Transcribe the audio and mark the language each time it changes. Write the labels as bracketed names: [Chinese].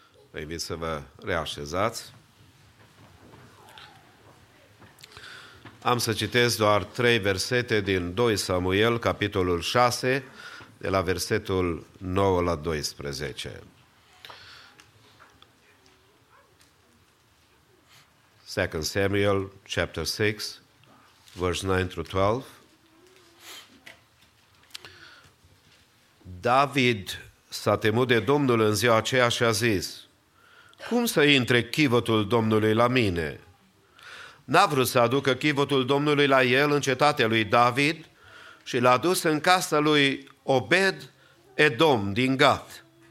[Romanian] Vă invit să vă reașezați. Am să citesc doar trei versete din 2 Samuel, capitolul 6, de la versetul 9 la 12. [English] Second Samuel, chapter 6, verse 9 through 12. [Romanian] David s-a temut de Domnul în ziua aceea și a zis: cum să intre chivotul Domnului la mine? N-a vrut să aducă chivotul Domnului la el în cetatea lui David și l-a dus în casa lui Obed-Edom din Gat.